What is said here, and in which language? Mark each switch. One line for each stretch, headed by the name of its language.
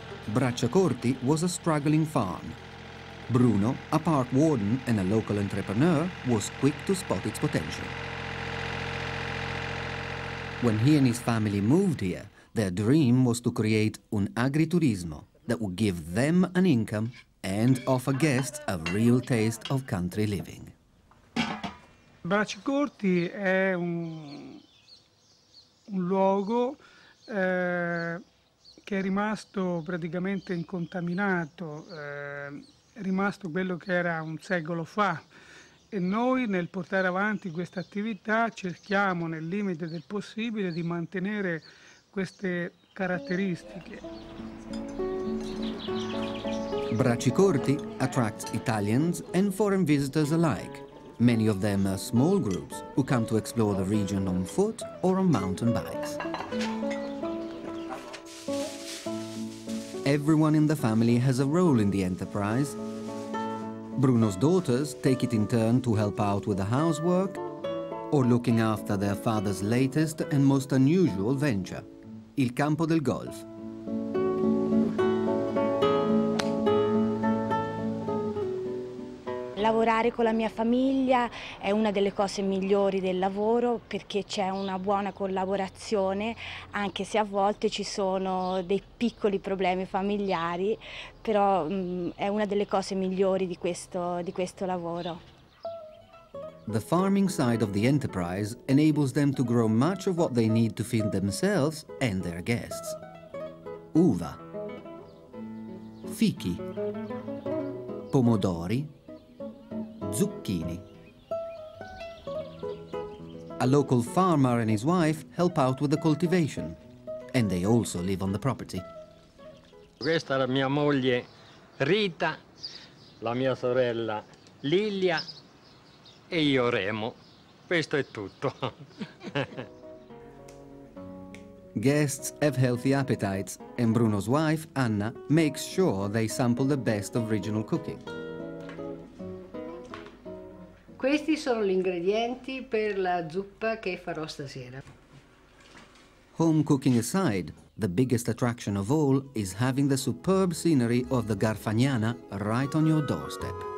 English: Bracciacorti was a struggling farm. Bruno, a park warden and a local entrepreneur, was quick to spot its potential. When he and his family moved here, their dream was to create un agriturismo that would give them an income and offer guests a real taste of country living.
Italian: Bracciacorti è un luogo che è rimasto praticamente incontaminato, è rimasto quello che era un secolo fa. E noi nel portare avanti questa attività cerchiamo nel limite del possibile di mantenere queste caratteristiche.
English: Bracciacorti attracts Italians and foreign visitors alike, many of them are small groups who come to explore the region on foot or on mountain bikes. Everyone in the family has a role in the enterprise. Bruno's daughters take it in turn to help out with the housework or looking after their father's latest and most unusual venture,
Italian: il campo del golf. Lavorare con la mia famiglia è una delle cose migliori del lavoro perché c'è una buona collaborazione, anche se a volte ci sono dei piccoli problemi familiari, però è una delle cose migliori di questo lavoro.
English: The farming side of the enterprise enables them to grow much of what they need to feed themselves and their guests.
Italian: Uva, fichi, pomodori, zucchini.
English: A local farmer and his wife help out with the cultivation, and they also live on the property.
Italian: Questa è la mia moglie Rita, la mia sorella Lilia e io Remo. Questo è tutto.
English: Guests have healthy appetites, and Bruno's wife Anna makes sure they sample the best of regional cooking.
Italian: Questi sono gli ingredienti per la zuppa che farò stasera.
English: Home cooking aside, the biggest attraction of all is having the superb scenery of the Garfagnana right on your doorstep.